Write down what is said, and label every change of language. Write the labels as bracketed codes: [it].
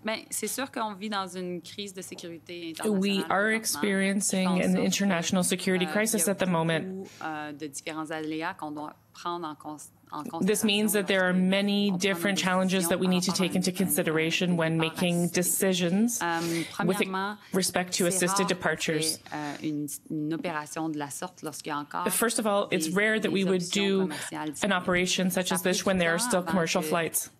[fr] C'est sûr qu'on vit dans une crise de sécurité internationale. [en] We are experiencing an international security crisis at the moment. [fr] De différents aléas qu'on doit prendre en compte. [en] This means that there are many different challenges that we need to take into consideration when making decisions with respect to assisted departures. First of all, it's rare that we would do an operation such as this when there are still commercial flights.